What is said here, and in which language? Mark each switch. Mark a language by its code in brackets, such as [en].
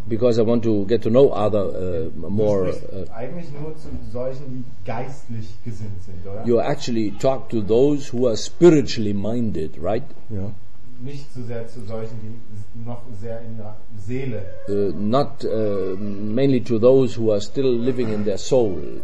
[en] Because I want to get to know other more. [de] Eigentlich nur zu solchen, die geistlich gesinnt sind, oder? [en] You actually talk to those who are spiritually minded, right? Yeah. [de] Nicht so sehr zu solchen, die noch sehr in der Seele. [en] Not mainly to those who are still living in their soul.